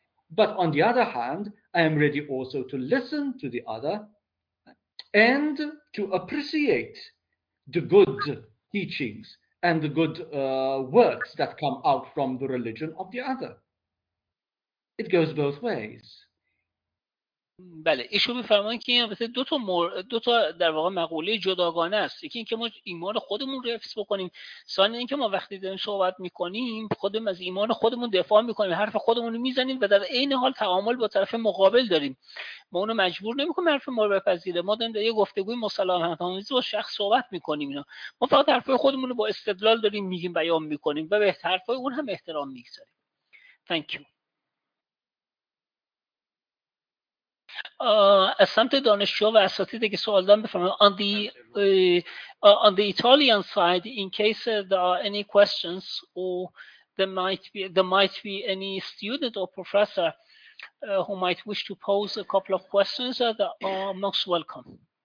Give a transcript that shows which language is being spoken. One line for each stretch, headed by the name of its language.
English: But on the other hand, I am ready also to listen to the other and to appreciate the good teachings and the good works that come out from the religion of the other. It goes both ways.
Persian: بله، ایشون میفرمان که این مثل دو تا در واقع مقوله جداگانه است. یکی اینکه ما ایمان خودمون رو حفظ بکنیم، ثانی اینکه ما وقتی داریم صحبت میکنیم خودمون از ایمان خودمون دفاع میکنیم، حرف خودمون رو میزنیم و در عین حال تعامل با طرف مقابل داریم. ما اونو مجبور نمیکنیم حرف ما رو بپذیره، ما داریم در یه گفتگوی مسالمت‌آمیز با شخص صحبت میکنیم. اینا ما فقط حرف خودمون رو با استدلال داریم میگیم، بیان میکنیم و به حرف اون هم احترام میگذاریم.
English: Thank you.
Persian: از سمت دانشجو و اساتید که سوال دارم بفرمایید.
English: On the Italian side, in case there are any questions or there might be any student or professor who might wish to pose a couple of questions, that are most welcome.